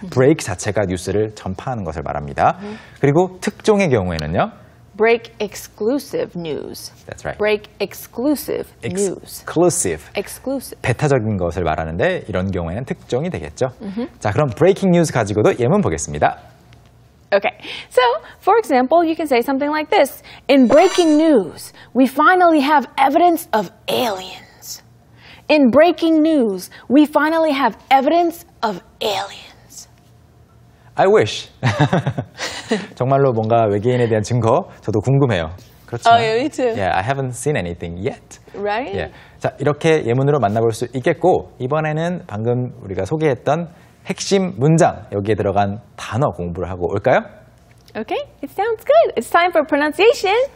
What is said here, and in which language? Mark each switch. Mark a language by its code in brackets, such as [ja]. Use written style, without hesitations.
[ko] Break 자체가 뉴스를 전파하는 것을 말합니다. Mm-hmm. 그리고 특종의 경우에는요. [en] Break exclusive news. That's right. Break exclusive news. Exclusive. Exclusive. [ko] 배타적인 것을 말하는데 이런 경우에는 특종이 되겠죠. Mm-hmm. 자, 그럼 breaking news 가지고도 예문 보겠습니다. [en] Okay. So, for example, you can say something like this. In breaking news, we finally have evidence of aliens. In breaking news, we finally have evidence of aliens. I wish. [ko] 정말로 뭔가 외계인에 대한 증거 저도 궁금해요. 그렇지만, [en] oh, yeah, me too. Yeah, I haven't seen anything yet. Right? Yeah. [ko] 자, 이렇게 예문으로 만나볼 수 있겠고 이번에는 방금 우리가 소개했던 핵심 문장 여기에 들어간 단어 공부를 하고 올까요? [en] Okay, it sounds good. It's time for pronunciation.